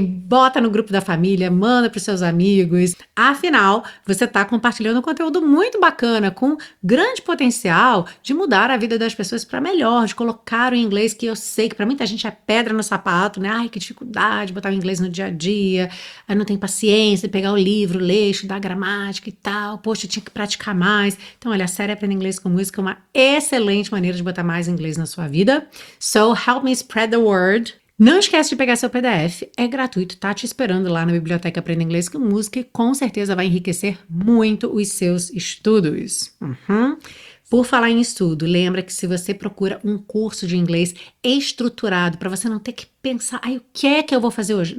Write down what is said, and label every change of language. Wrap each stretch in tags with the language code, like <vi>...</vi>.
<pt>Bota no grupo da família, manda para os seus amigos. Afinal, você está compartilhando um conteúdo muito bacana, com grande potencial de mudar a vida das pessoas para melhor, de colocar o inglês, que eu sei que para muita gente é pedra no sapato, né? Ai, que dificuldade botar o inglês no dia a dia. Eu não tenho paciência de pegar o livro, ler, estudar gramática e tal. Poxa, eu tinha que praticar mais. Então, olha, a série Aprenda Inglês com Música é uma excelente maneira de botar mais inglês na sua vida.</pt> <en>So, help me spread the word.</en> <pt>Não esquece de pegar seu PDF, é gratuito, tá te esperando lá na Biblioteca Aprenda Inglês com Música e com certeza vai enriquecer muito os seus estudos. Por falar em estudo, lembra que se você procura um curso de inglês estruturado, para você não ter que pensar, ai, o que é que eu vou fazer hoje?</pt>